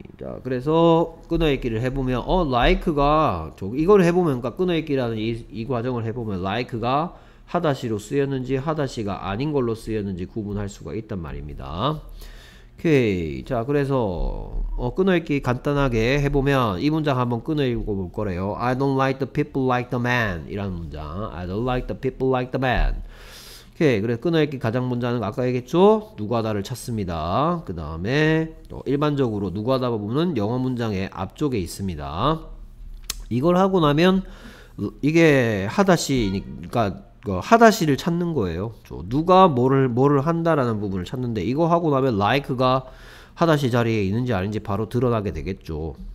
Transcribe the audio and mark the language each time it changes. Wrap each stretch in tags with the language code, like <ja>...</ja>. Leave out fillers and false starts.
<ko>자 그래서 끊어읽기를 해보면 like가 이걸 해보면 끊어읽기라는 이 과정을 해보면 like가 하다시로 쓰였는지 하다시가 아닌 걸로 쓰였는지 구분할 수가 있단 말입니다. 오케이. 자 그래서 끊어읽기 간단하게 해보면 이 문장 한번 끊어읽어 볼 거래요.</ko> <en>I don't like the people like the man</en> <ko>이라는 문장.</ko> <en>I don't like the people like the man.</en> <ko>오케이. 그래서 끊어읽기 가장 문장은 아까 얘기했죠? 누가다를 찾습니다. 그 다음에 일반적으로 누가다 부분은 영어 문장의 앞쪽에 있습니다. 이걸 하고 나면 이게 하다시니까 하다시를 찾는 거예요. 누가 뭐를 한다라는 부분을 찾는데, 이거 하고 나면 like가 하다시 자리에 있는지 아닌지 바로 드러나게 되겠죠.</ko>